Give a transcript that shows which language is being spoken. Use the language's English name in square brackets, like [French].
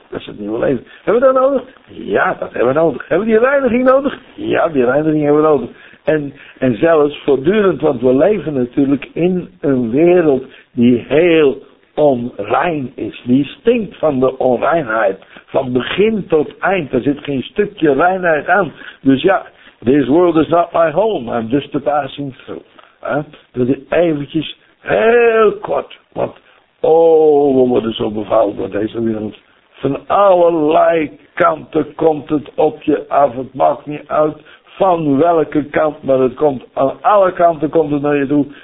[Dutch] Dat is het nieuwe leven. Hebben we dat nodig? Ja, dat hebben we nodig. Hebben we die reiniging nodig? Ja, die reiniging hebben we nodig. En zelfs voortdurend, want we leven natuurlijk in een wereld die heel onrein is. Die stinkt van de onreinheid. Van begin tot eind. Er zit geen stukje reinheid aan. Dus ja, [English] this world is not my home. I'm just a passing through. [Dutch] Dat is eventjes heel kort. Want, oh, we worden zo bevouwd door deze wereld. Van allerlei kanten komt het op je af. Het maakt niet uit van welke kant. Maar het komt aan alle kanten komt het naar je toe.